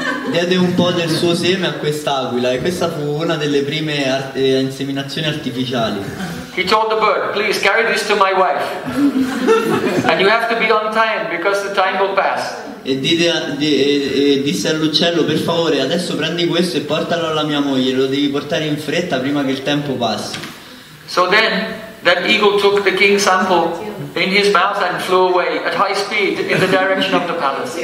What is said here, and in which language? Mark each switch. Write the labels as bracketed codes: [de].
[it] Diede un po' del suo seme a quest'aquila e questa fu una delle prime inseminazioni artificiali. [en] He told the bird, please carry this to my wife. And you have to be on time because the time will pass. [it] E disse all'uccello, per favore, adesso prendi questo e portalo alla mia moglie, lo devi portare in fretta prima che il tempo passi. [en] So then, that eagle took the king's sample in his mouth and flew away at high speed in the direction of the palace.